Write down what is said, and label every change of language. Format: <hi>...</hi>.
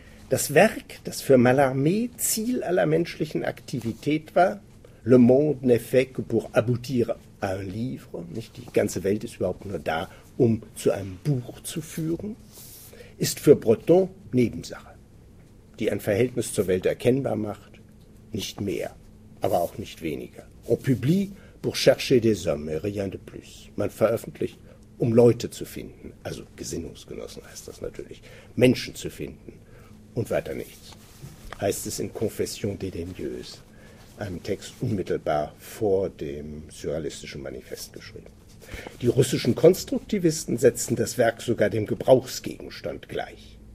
<de>Das Werk, das für Mallarmé Ziel aller menschlichen Aktivität war,</de> <fr>Le monde n'est fait que pour aboutir à un livre,</fr> <de>nicht die ganze Welt ist überhaupt nur da, um zu einem Buch zu führen, ist für Breton Nebensache, die ein Verhältnis zur Welt erkennbar macht, nicht mehr, aber auch nicht weniger.</de> <fr>On publie pour chercher des hommes, rien de plus.</fr> <de>Man veröffentlicht, um Leute zu finden, also Gesinnungsgenossen heißt das natürlich, Menschen zu finden. Und weiter nichts, heißt es in Confession dédaigneuse, einem Text unmittelbar vor dem surrealistischen Manifest geschrieben. Die russischen Konstruktivisten setzen das Werk sogar dem Gebrauchsgegenstand gleich.</de>